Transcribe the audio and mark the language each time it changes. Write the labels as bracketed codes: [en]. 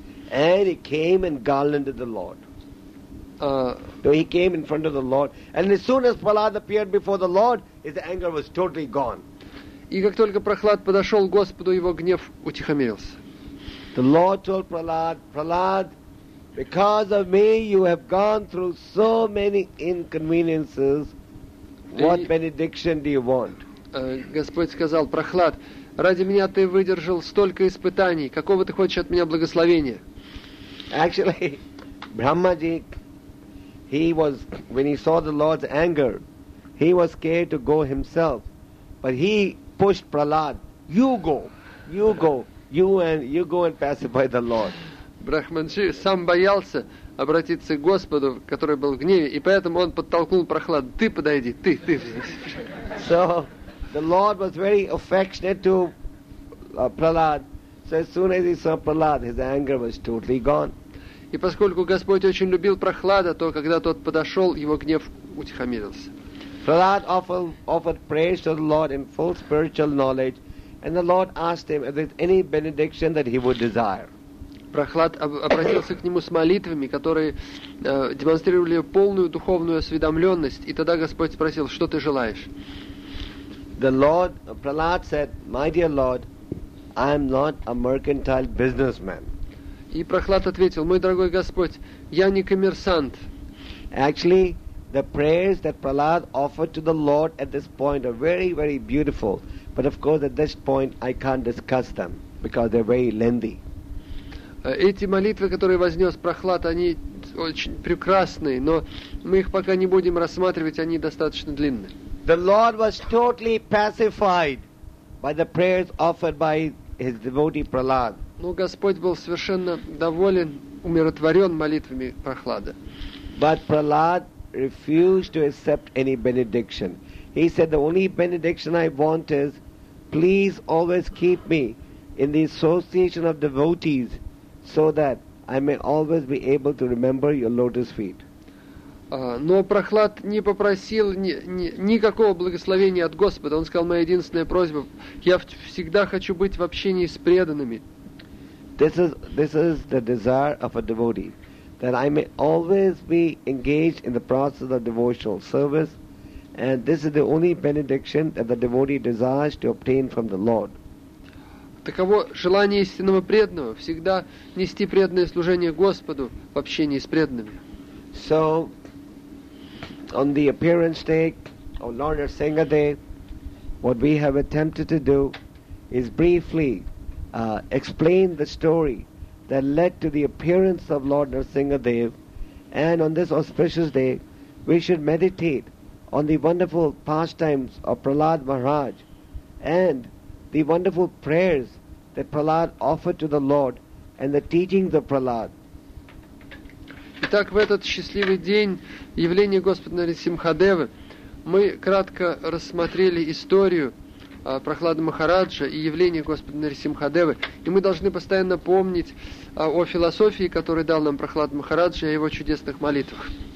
[en] And he came and garlanded the Lord. So he came in front of the Lord, and as soon as Prahlad appeared before the Lord, his anger was totally gone. [ru] И как только Прохлад подошел к Господу, его гнев утихомирился. [en] The Lord told Prahlad, Prahlad, because of me, you have gone through so many inconveniences. What benediction do you want? [ru] Господь сказал, Прохлад, ради меня ты выдержал столько испытаний. Какого ты хочешь от меня благословения? [en] Actually, Brahmaji, he was, when he saw the Lord's anger, he was scared to go himself. But he pushed Prahlad, you go and pacify the Lord. [ru] Брахманджи сам боялся обратиться к Господу, который был в гневе, и поэтому он подтолкнул Прохлад. Ты подойди, ты. [en] So, the Lord was very affectionate to Prahlad. So, as soon as he saw Prahlad, his anger was totally gone. [ru] И поскольку Господь очень любил Прохлада, то когда тот подошел, его гнев утихомирился. [en] Prahlad offered prayers to the Lord in full spiritual knowledge, and the Lord asked him if there's any benediction that he would desire. [ru] Прохлад обратился к нему с молитвами, которые демонстрировали полную духовную осведомленность, и тогда Господь спросил, что ты желаешь? [en] The Lord, Prahlad said, my dear Lord, I am not a mercantile businessman. [ru] И Прохлад ответил, мой дорогой Господь, я не коммерсант. [en] Actually, the prayers that Prahlad offered to the Lord at this point are very, very beautiful, but of course at this point I can't discuss them, because they're very lengthy. [ru] Эти молитвы, которые вознес Прохлад, они очень прекрасные, но мы их пока не будем рассматривать, они достаточно длинные. [en] The Lord was totally pacified by the prayers offered by his devotee Prahlad. [ru] Но Господь был совершенно доволен, умиротворен молитвами Прохлада. [en] But Prahlad refused to accept any benediction. He said, the only benediction I want is, please always keep me in the association of devotees, so that I may always be able to remember your lotus feet. [ru] Но Прохлад не попросил никакого благословения от Господа. Он сказал, моя единственная просьба, я всегда хочу быть в общении с преданными. [en] This is the desire of a devotee, that I may always be engaged in the process of devotional service, and this is the only benediction that the devotee desires to obtain from the Lord. [ru] Таково желание истинного преданного – всегда нести преданное служение Господу в общении с преданными. [en] So, on the appearance day of Lord Narasingha Day, what we have attempted to do is briefly explain the story that led to the appearance of Lord Narasingha Dev, and on this auspicious day, we should meditate on the wonderful pastimes of Prahlad Maharaj and the wonderful prayers that Prahlad offered to the Lord and the teachings of Prahlad. [ru] Итак, в этот счастливый день явления Господа Нарасимхадевы мы кратко рассмотрели историю Прохлада Махараджа и явления Господа Нарасимхадевы, и мы должны постоянно помнить о философии, которую дал нам Прохлад Махараджа, и о его чудесных молитвах.